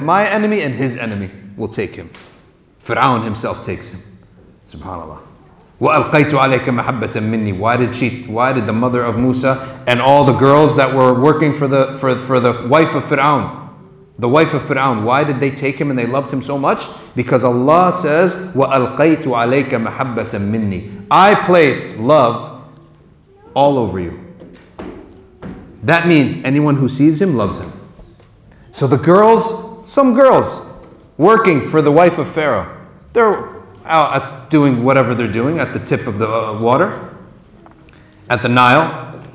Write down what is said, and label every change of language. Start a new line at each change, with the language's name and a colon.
English: My enemy and his enemy will take him. Fir'aun himself takes him.
Arabic: Subhanallah. وَأَلْقَيْتُ عَلَيْكَ مَحَبَّةً مِّنِّي.
English: Why did the mother of Musa and all the girls that were working for the wife of Fir'aun, the wife of Fir'aun, why did they take him and they loved him so much? Because Allah says,
Arabic: وَأَلْقَيْتُ عَلَيْكَ مَحَبَّةً مِّنِّي.
English: I placed love all over you. That means anyone who sees him loves him. So the girls, some girls, working for the wife of Pharaoh. They're out doing whatever they're doing at the tip of the water. At the Nile.